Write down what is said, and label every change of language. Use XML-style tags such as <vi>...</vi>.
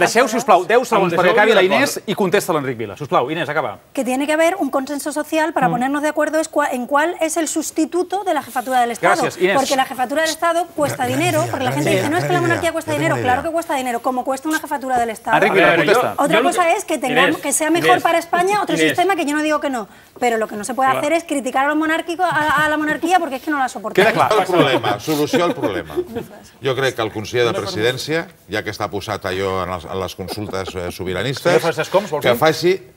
<ca>Deixeu, sisplau, 10 segons perquè acabi la Inés i contesta l'Enric Vila. Sisplau, Inés, acaba.</ca> <es>Que tiene que haber un consenso social para ponernos de acuerdo en cuál es el sustituto de la jefatura del Estado.</es> <ca>Gràcies, Inés.</ca> <es>Porque la jefatura del Estado cuesta dinero, porque la gente dice, no, es que la monarquía cuesta dinero. Claro que cuesta dinero, como cuesta una jefatura del Estado.</es> <ca>Enric Vila, contesta.</ca> <es>Otra cosa es que sea mejor para España otro sistema, que yo no digo que no. Pero lo que no se puede hacer es criticar a los monárquicos, a la monarquía, porque es que no la soporta.</es> <ca>Queda clar. El problema, solució al problema. Jo crec que el conseller de presidència, ja que està posat allò en les consultes sobiranistes, que faci...</ca>